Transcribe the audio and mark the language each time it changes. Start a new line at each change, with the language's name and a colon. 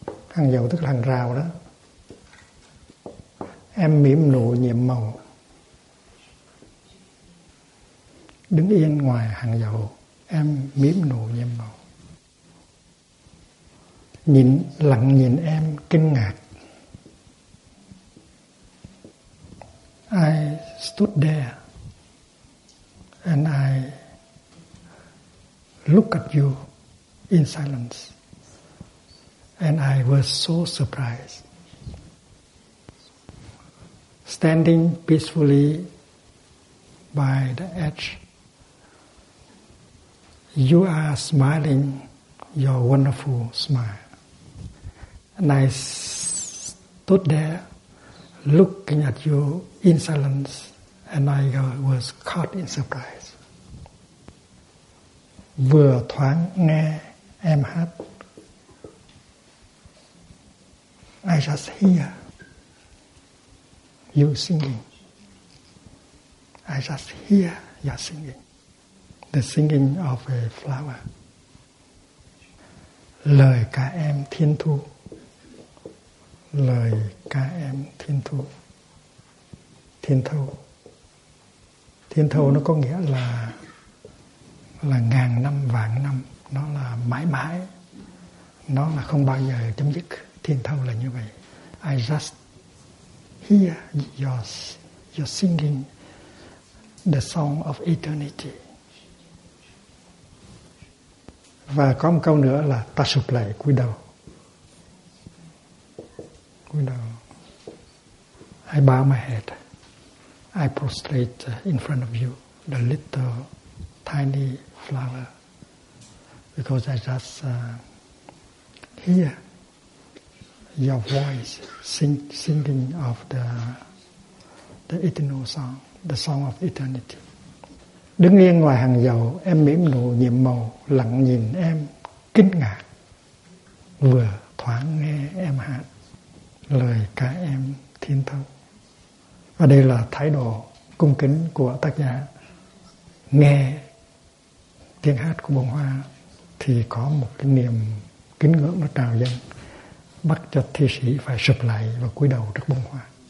Vietnamese: Hàng dầu tức là hàng rào đó. Em mỉm nụ nhiệm màu, đứng yên ngoài hàng dầu, em mỉm nụ nhiệm màu. Nhìn lặng nhìn em kinh ngạc,
English: I stood there and I looked at you in silence and I was so surprised. Standing peacefully by the edge, you are smiling your wonderful smile. And I stood there looking at you in silence, and I was caught in surprise.
Vietnamese: Vừa thoáng nghe em hát,
English: I just hear you singing. I just hear your singing, the singing of a flower.
Vietnamese: Lời ca em thiên thu, lời ca em thiên thu. Thiên thâu nó có nghĩa là ngàn năm vạn năm, nó là mãi mãi, nó là không bao giờ chấm dứt. Thiên thâu là như vậy.
English: I just hear your singing, the song of eternity.
Vietnamese: Và có một câu nữa là ta sụp lại cúi đầu.
English: I bow my head, I prostrate in front of you, the little tiny flower, because I just hear your voice singing of the eternal song, the song of eternity.
Vietnamese: Đứng yên ngoài hàng dầu, em mỉm nụ nhiệm màu, lặng nhìn em kinh ngạc, vừa thoáng nghe em hát, lời ca em thiên thâu. Và đây là thái độ cung kính của tác giả. Nghe tiếng hát của bông hoa thì có một cái niềm kính ngưỡng nó trào dâng, bắt cho thi sĩ phải sụp lại và cúi đầu trước bông hoa.